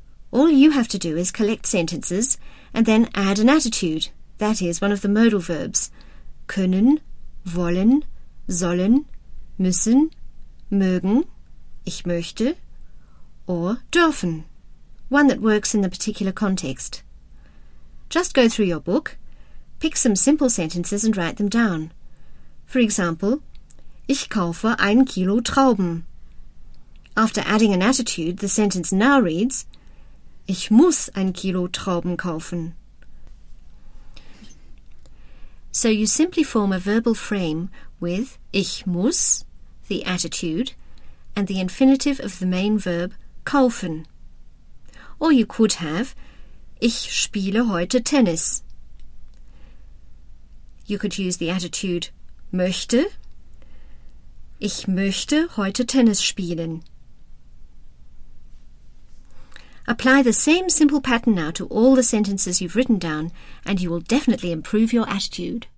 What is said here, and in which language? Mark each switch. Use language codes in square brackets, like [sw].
[en] All you have to do is collect sentences and then add an attitude, that is, one of the modal verbs, können, wollen, sollen, müssen, mögen, ich möchte, or dürfen, one that works in the particular context. Just go through your book, pick some simple sentences and write them down. For example, [de] ich kaufe ein Kilo Trauben. [en] After adding an attitude, the sentence now reads, [de] ich muss ein Kilo Trauben kaufen. [en] So you simply form a verbal frame with ich muss, the attitude, and the infinitive of the main verb kaufen. Or you could have [de] ich spiele heute Tennis. [en] You could use the attitude möchte. [de] Ich möchte heute Tennis spielen. [en] Apply the same simple pattern now to all the sentences you've written down, and you will definitely improve your attitude.